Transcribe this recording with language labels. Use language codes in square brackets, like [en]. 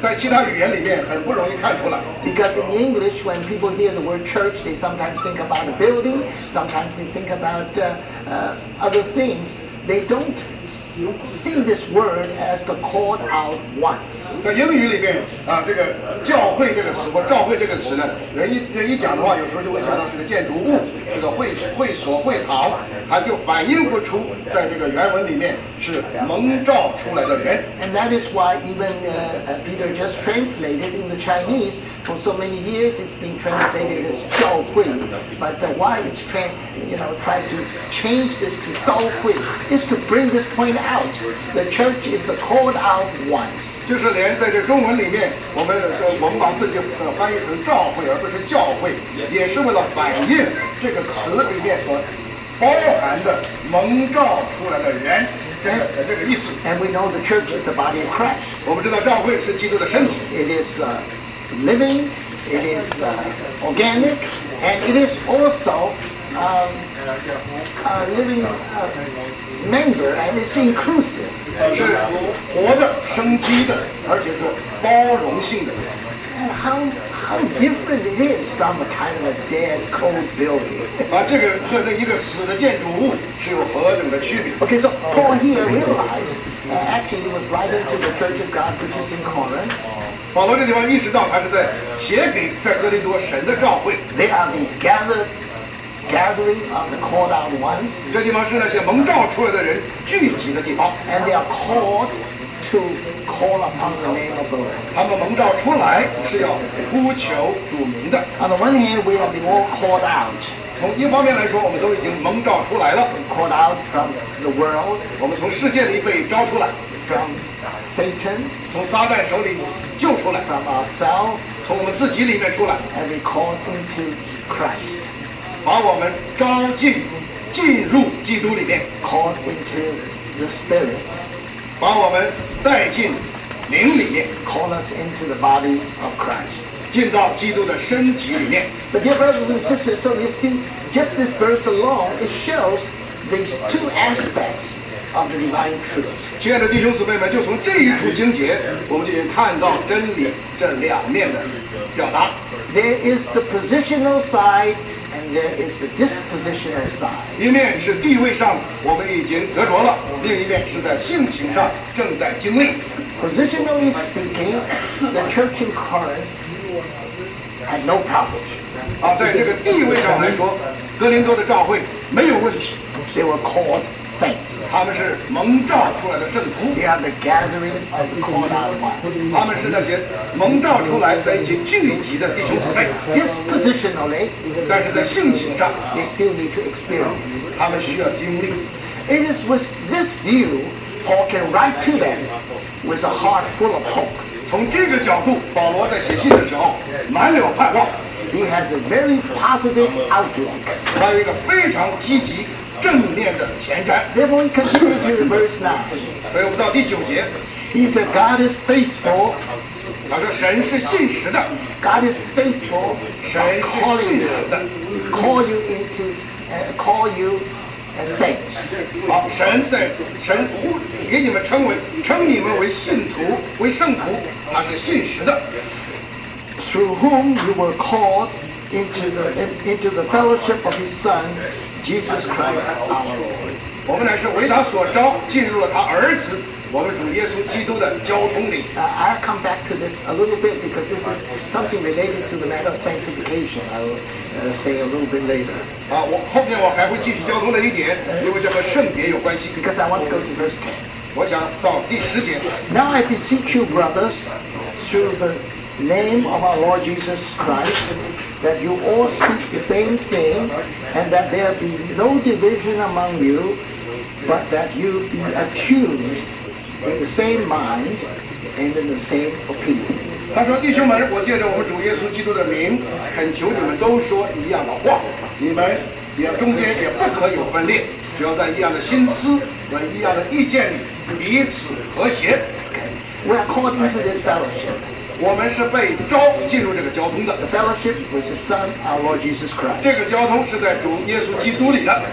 [zh] 在其他语言里面很不容易看出来。 [en] Because in English, when people hear the word church, they sometimes think about a building, sometimes they think about other things. They don't see this word as the called out ones. [zh] 在英语里面啊，这个教会这个词或教会这个词呢，人一讲的话，有时候就会想到这个建筑物，这个会所会堂，它就反映不出在这个原文里面是蒙召出来的人。 [en] And that is why even Peter just translated in the Chinese for so many years, it's been translated as 教会 but why it's trying to change this to 教会 is to bring this point out. The church is the called out ones. [zh] 就是连在这中文里面，我们把自己翻译成教会而不是教会，也是为了反映这个词里面所包含的蒙召出来的人。 [en] And we know the church is the body of Christ. [zh] 我们知道教会是基督的身体。 [en] It is living, it is organic, and it is also a living member, and it's inclusive. [zh] 是活的、生机的，而且是包容性的。 [en] And how different it is from a kind of a dead, cold building. [zh] 把这个和那一个死的建筑物是有何等的区别 [en] ？Okay, so Paul here realized, actually, he was writing to the Church of God, which is in Corinth. [zh] 保罗这地方意识到，还是在写给哥林多神的召会。 [en] They are the gathering of the called out ones. [zh] 这地方是那些蒙召出来的人聚集的地方。 [en] And they are called. To call upon the name of the Lord. [zh] 他们蒙召出来是要呼求主名的。 [en] On the one hand, we have been all called out. [zh] 从一方面来说，我们都已经蒙召出来了。 [en] Called out from the world. [zh] 我们从世界里被召出来。 [en] From Satan. [zh] 从撒旦手里救出来。 [en] From ourselves. [zh] 从我们自己里面出来。 [en] And we called into Christ. [zh] 把我们进入基督里面。 [en] Called into the Spirit. [zh] 把我们带进灵里面 [en] call us into the body of Christ [zh] 进到基督的身体里面 [en] But dear brothers and sisters, so you see just this verse alone it shows these two aspects of the divine truth [zh] 亲爱的弟兄姊妹们就从这一处经节我们就能看到真理这两面的表达 [en] There is the positional side and there is the dispositional side [zh] 一面是地位上我们已经得着了另一面是在性情上正在经历 [en] Positionally speaking, the church in Corinth had no problem [zh] 在这个地位上来说哥林多的教会没有问题 [en] They were called saints [zh] 他们是蒙召出来的圣徒 [en] They are the gathering of the called out ones [zh] 他们是那些蒙召出来在一起聚集的弟兄姊妹 [en] Dispositionally [zh] 但是在性情上 [en] They still need to experience [zh] 他们需要经历 [en] It is with this view Paul can write to them with a heart full of hope. [zh] 从这个角度，保罗在写信的时候满有盼望。 [en] He has a very positive outlook. [zh] 他有一个非常积极、正面的前瞻。 [en] Therefore, we continue to the verse 9. [zh] 所以我们到第九节。 [en] He said, "God is faithful." [zh] 他说神是信实的。 [en] God is faithful. [zh] 神是信实的。 [en] Call you. Saints. [zh] 好，神给你们称你们为信徒为圣徒，他是信实的。 [en] Through whom you were called into the fellowship of His Son, Jesus Christ, our Lord. [zh] 我们乃是为他所召，进入了他儿子，我们主耶稣基督的交通里。 [en] I'll come back to this a little bit because this is something related to the matter of sanctification. I'll say a little bit later. [zh] 我后面我还会继续交通的一点，因为这和圣别有关系。 [en] Because I want to go to verse 10. [zh] 我想到第十节。 [en] Now I beseech you, brothers, through the name of our Lord Jesus Christ, that you all speak the same thing, and that there be no division among you, but that you be attuned in the same mind and in the same opinion. [zh] 他说弟兄们我借着我们主耶稣基督的名恳求你们都说一样的话你们也中间也不可有分裂只要在一样的心思和一样的意见里彼此和谐 [en] We are called into this fellowship [zh] 我们是被召进入这个交通的 [en] The fellowship with the Son our Lord Jesus Christ [zh] 这个交通是在主耶稣基督里的